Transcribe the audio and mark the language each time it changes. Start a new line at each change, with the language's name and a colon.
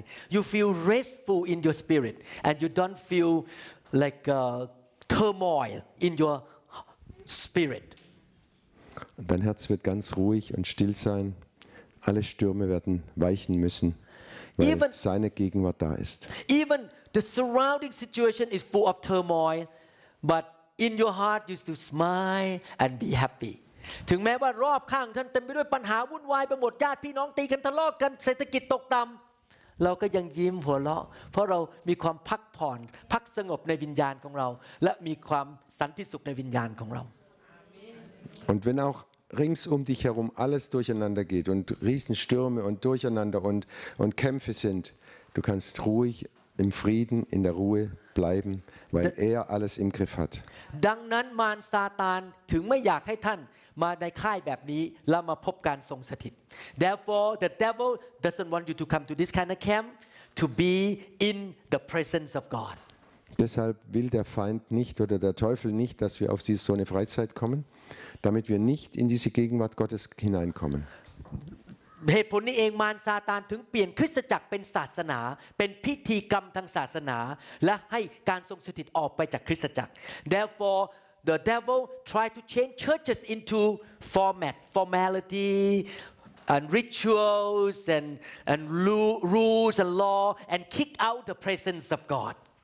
English: You feel restful in your spirit and you don't feel like turmoil in yourSpirit.
German: Dein Herz wird ganz ruhig und still sein. Alle Stürme werden weichen müssen, weil
English: even,
German: seine Gegenwart da ist.
English: Even the surrounding situation is full of turmoil, but in your heart you still smile and be happy.
Thai: ถึงแม้ว่ารอบข้างท่านเต็มไปด้วยปัญหาวุ่นวายไปหมดญาติพี่น้องตีกันทะเลาะกันเศรษฐกิจตกต่ำเราก็ยังยิ้มหัวเราะเพราะเรามีความพักผ่อนพักสงบในวิญญาณของเราและมีความสันติสุขในวิญญาณของเรา
German: Und wenn auch rings um dich herum alles durcheinander geht und Riesenstürme und Durcheinander und Kämpfe sind, du kannst ruhig im Frieden in der Ruhe bleiben, weil er alles im Griff hat.
Thai: ดังนั้นมารซาตานถึงไม่อยากให้ท่านมาในค่ายแบบนี้และมาพบการทรงสถิต
English: Therefore the devil doesn't want you to come to this kind of camp to be in the presence of God
German: Deshalb will der Feind nicht oder der Teufel nicht dass wir auf diese so eine Freizeit kommen damit wir nicht in diese Gegenwart Gottes hineinkommen
Thai: เหตุผลนี้เองมารซาตานถึงเปลี่ยนคริสตจักรเป็นศาสนาเป็นพิธีกรรมทางศาสนาและให้การทรงสถิตออกไปจากคริสตจักร
English: Therefore The devil tried to change churches into formality and rituals and rules and law and kick out the presence of God.